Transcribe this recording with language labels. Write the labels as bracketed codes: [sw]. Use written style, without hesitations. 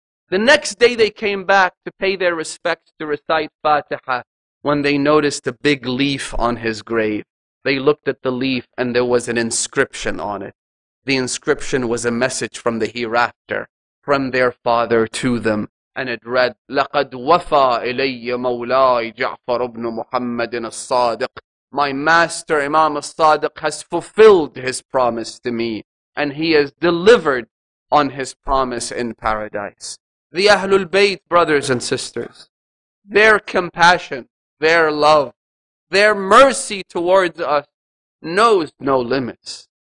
[en] The next day they came back to pay their respects to recite Fatiha when they noticed a big leaf on his grave. They looked at the leaf and there was an inscription on it. The inscription was a message from the hereafter, from their father to them. And it read, [ar] لَقَدْ وَفَى إِلَيَّ مَوْلَاي جَعْفَرُ بْنُ مُحَمَّدٍ الصَّادِقِ. [en] My master Imam al-Sadiq has fulfilled his promise to me, and he has delivered on his promise in paradise. The Ahlul Bayt, brothers and sisters, their compassion, their love, their mercy towards us knows no limits.